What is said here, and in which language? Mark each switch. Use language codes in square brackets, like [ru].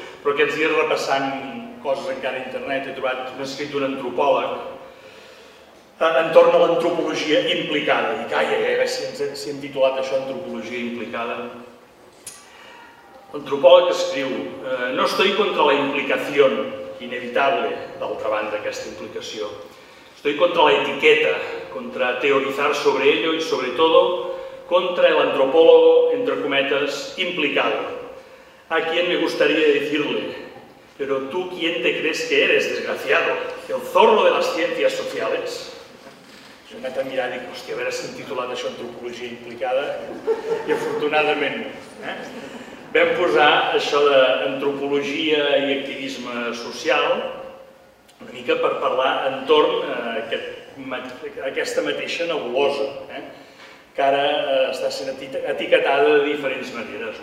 [ca] Però aquests dies, repassant coses encara a internet, he trobat un escrit d'un antropòleg entorn a l'antropologia implicada. I caia, si hem titulat això antropologia implicada. L'antropòleg escriu: [es] no estoy contra la implicación, inevitable, [ca] d'altra banda, aquesta implicació. [es] Estoy contra la etiqueta, contra teorizar sobre ello y, sobre todo, contra el antropólogo, entre cometas, implicado. A quien me gustaría decirle, pero tú, ¿quién te crees que eres, desgraciado? El zorro de las ciencias sociales. [ca] Jo m'he anat a mirar i dic, hòstia, a veure si hem titulat això antropologia implicada. I afortunadament, vam posar això d'antropologia i activisme social una mica per parlar entorn a aquesta mateixa nebulosa, que ara està sent etiquetada de diferents maneres.